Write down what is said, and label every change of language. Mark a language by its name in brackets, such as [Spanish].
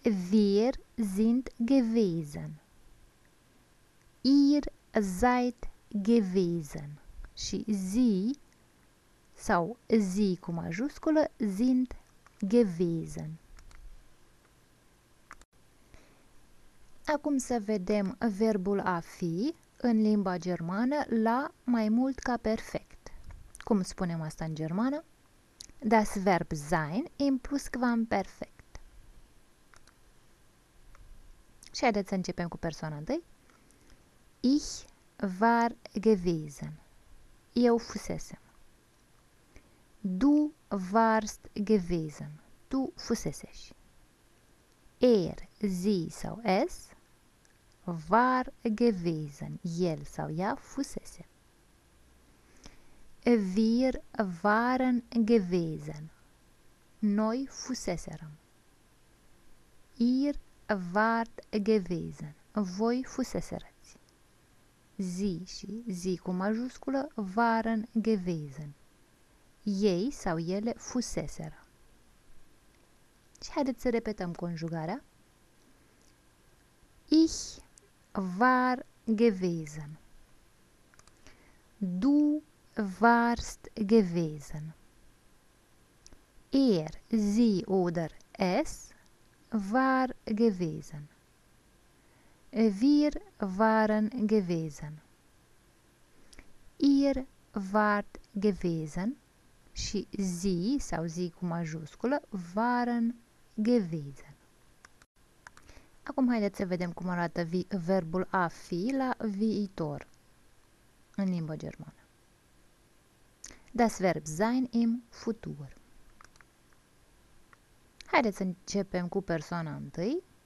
[German] Wir sind gewesen. Ihr seid gewesen. [Romanian] Și sie sau sie cu majusculă [German] sind gewesen. [Romanian] Acum să vedem verbul a fi în limba germană la mai mult ca perfect. Cum spunem asta în germană? [German] Das Verb sein im Plusquamperfekt. [Romanian] Și haideți să începem cu persoana întâi. [German] Ich war gewesen. [Romanian] Eu fusesem. [German] Du warst gewesen. [Romanian] Tu fusesești. [German] Er, sie sau es war gewesen. [Romanian] El sau ea fusese. [German] Wir waren gewesen. [Romanian] Noi fuseserăm. [German] Ihr wart gewesen. [Romanian] Voi fuseserați. [German] Sie și sie [Romanian] cu majusculă [German] waren gewesen. [Romanian] Ei sau ele fuseseră. Și haideți să repetăm conjugarea. [German] Ich war gewesen. Du warst gewesen. Er, sie oder es war gewesen. Wir waren gewesen. Ihr wart gewesen. [Romanian] Și sie sau sie cu majusculă [German] waren gewesen. [Romanian] Acum haideți să vedem cum arată verbul a fi la viitor în limba germană. [German] Das Verb sein im Futur. [Romanian] Haideți să începem cu persoana întâi.